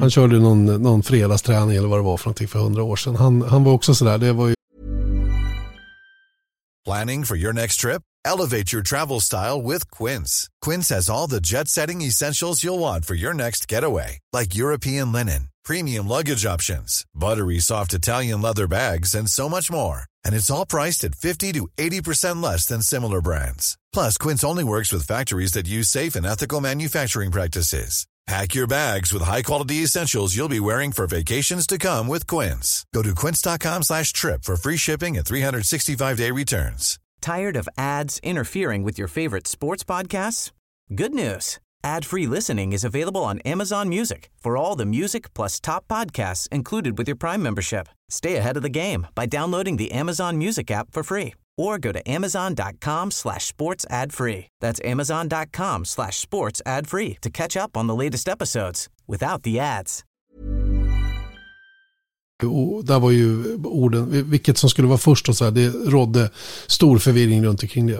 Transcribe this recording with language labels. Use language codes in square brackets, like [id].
[sv] Han körde någon fredagsträning eller vad det var för någonting för 100 år sedan. Han var också sådär, det var ju... [en] Planning for your next trip? Elevate your travel style with Quince. Quince has all the jet-setting essentials you'll want for your next getaway, like European linen, premium luggage options, buttery soft Italian leather bags, and so much more. And it's all priced at 50 to 80% less than similar brands. Plus, Quince only works with factories that use safe and ethical manufacturing practices. Pack your bags with high-quality essentials you'll be wearing for vacations to come with Quince. Go to quince.com/trip for free shipping and 365-day returns. Tired of ads interfering with your favorite sports podcasts? Good news. Ad-free listening is available on Amazon Music for all the music plus top podcasts included with your Prime membership. Stay ahead of the game by downloading the Amazon Music app for free. Or go to amazon.com/sportsadfree. That's amazon.com/sportsadfree to catch up on the latest episodes without the ads. [sv] Och där var ju orden, vilket som skulle vara först och så här, det rådde stor förvirring runt omkring det.